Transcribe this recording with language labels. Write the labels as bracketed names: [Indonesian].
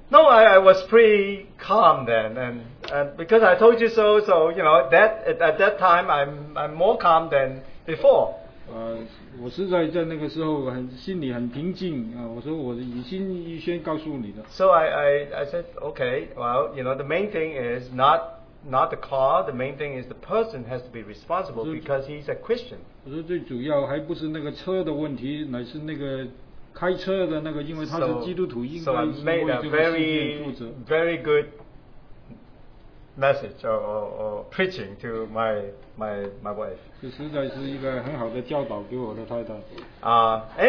[English] No, I was pretty calm then, and because I told you so, so you know that at that time I'm more calm than before. [Chinese] 我实在在那个时候很心里很平静啊，我说我已经预先告诉你了。 [English] So I said okay, well you know the main thing is not the car, the main thing is the person has to be responsible because he's a Christian. [Chinese] 我说最主要还不是那个车的问题，乃是那个开车的那个， 因为他是基督徒，应该是为这个事情负责。 [English] So I made a very, very good message or preaching to my wife. [Chinese] 这实在是一个很好的教导给我的太太。